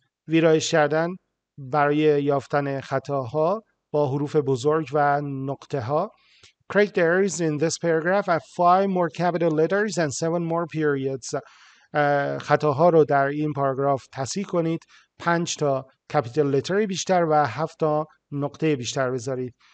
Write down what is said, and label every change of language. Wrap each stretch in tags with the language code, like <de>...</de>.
<fa>ویرایش کردن برای یافتن خطاها با حروف بزرگ و نقطه ها.</fa> <en>Correct errors in this paragraph have 5 more capital letters and 7 more periods.</en> <fa>خطاها رو در این پاراگراف تصحیح کنید. 5 تا capital letter بیشتر و 7 تا نقطه بیشتر بذارید.</fa>